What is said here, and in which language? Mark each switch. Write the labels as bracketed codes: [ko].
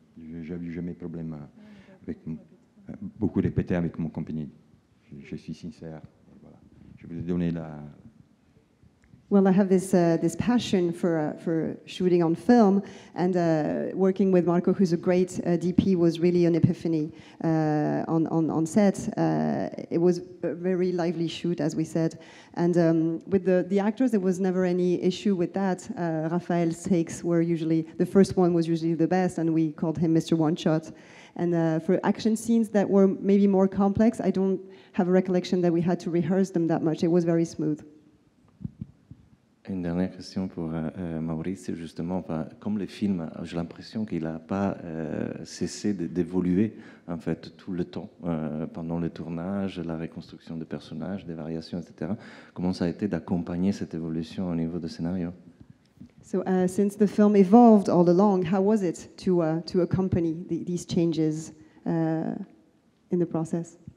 [fr] Je n'ai jamais de problème avec beaucoup répété avec mon compagnie. Je suis sincère. Voilà. Je vous ai donné la. [en] Well, I have this this passion for shooting on film, and working with Marco, who's a great DP, was really an epiphany on set. It was a very lively shoot, as we said, and with the actors, there was never any issue with that. Raphael's takes were usually the first one was usually the best, and we called him Mr. One Shot. And for action scenes that were maybe more complex, I don't have a recollection that we had to rehearse them that much. It was very smooth. [fr] Une dernière question pour Maurice, justement, enfin, comme le film, j'ai l'impression qu'il n'a pas cessé d'évoluer en fait, tout le temps, pendant le tournage, la reconstruction de personnages, des variations, etc. Comment ça a été d'accompagner cette évolution au niveau du scénario? [en] So, since the film evolved all along, how was it to accompany these changes in the process?